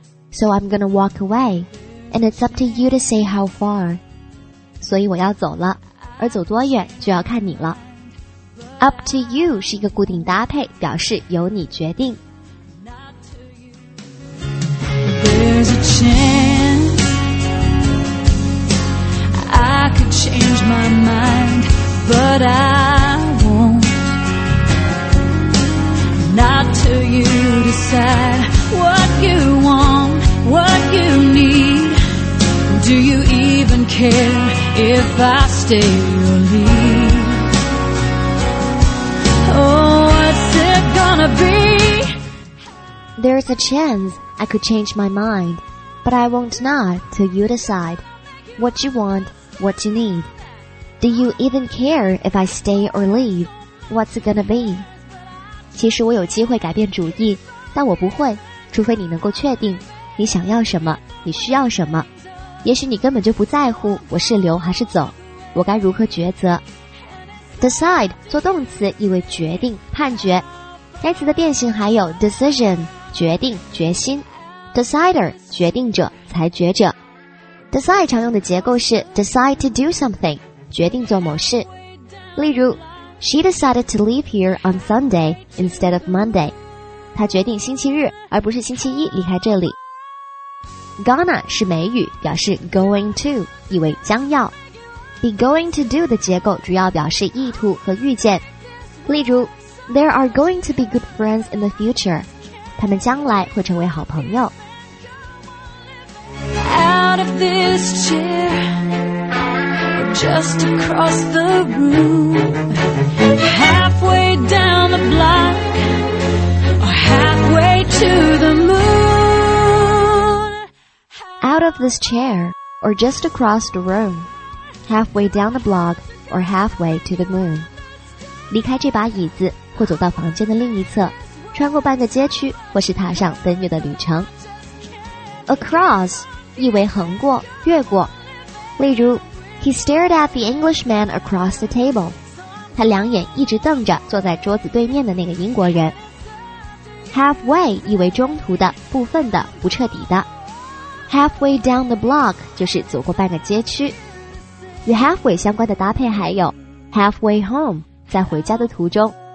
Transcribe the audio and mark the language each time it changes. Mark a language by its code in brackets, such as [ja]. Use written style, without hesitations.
[en] So I'm gonna walk away, and it's up to you to say how far. [zh] 所以我要走了，而走多远就要看你了。 Up to you 是一个固定搭配，表示由你决定。 [en] There's a chance I could change my mind, but I won't. Not till you decide what you want. What you need? Do you even care if I stay or leave? Oh, what's it gonna be? There's a chance I could change my mind, but I won't not till you decide what you want, what you need. Do you even care if I stay or leave? What's it gonna be? [zh] 其实我有机会改变主意，但我不会，除非你能够确定。你想要什么？你需要什么？也许你根本就不在乎我是留还是走，我该如何抉择 ？Decide 做动词意味决定、判决。该词的变形还有 decision 决定、决心 ，decider 决定者、裁决者。 Decide 常用的结构是 decide to do something, 决定做某事。例如 [en] She decided to leave here on Sunday instead of Monday. [zh] 她决定星期日而不是星期一离开这里。 Gonna 是美语，表示 going to, 意为将要。 Be going to do 的结构主要表示意图和预见。例如 [en] There are going to be good friends in the future. [zh] 他们将来会成为好朋友。 [en] Out of this chair, just across the room, halfway down the block, or halfway to the moon. Out of this chair, or just across the room, halfway down the block, or halfway to the moon. [zh] 离开这把椅子，或走到房间的另一侧，穿过半个街区，或是踏上奔月的旅程。 Across. 意为横过、越过。例如 [en] He stared at the Englishman across the table. [zh] 他两眼一直瞪着坐在桌子对面的那个英国人。 Halfway 意为中途的、部分的、不彻底的。 Halfway down the block 就是走过半个街区。与 halfway 相关的搭配还有 Halfway home 在回家的途中。